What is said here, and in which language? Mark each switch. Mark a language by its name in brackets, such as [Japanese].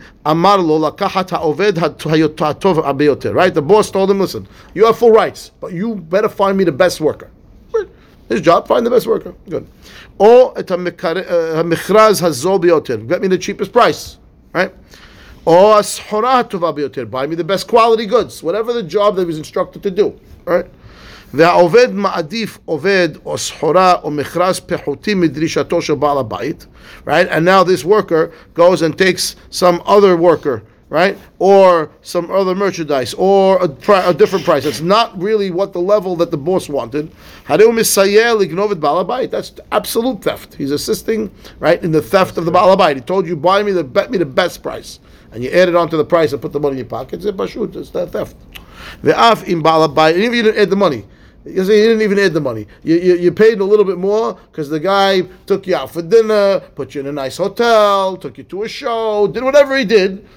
[English] The boss told him, listen, you have full rights, but you better find me the best worker. His job, find the best worker. Good. Or get me the cheapest price. Right? Or buy me the best quality goods. Whatever the job that he was instructed to do. Right? [Hebrew] והעובד מעדיף עובד או סחורה או מכרז פחותי מדרישתו של בעל הבית, [English] right? And now this worker goes and takes some other worker, right? Or some other merchandise, or a different price. It's not really what the level that the boss wanted. [Hebrew] הרי הוא מסייע לגנוב את בעל הבית. [English] That's absolute theft. He's assisting, right, in the theft of the בעל הבית. He told you, bet me the best price. And you add it onto the price and put the money in your pocket. It's pashut, it's that theft. Ve'af im bala bayit, even if you didn't add the money, you paid a little bit more because the guy took you out for dinner, put you in a nice hotel, took you to a show, did whatever he did.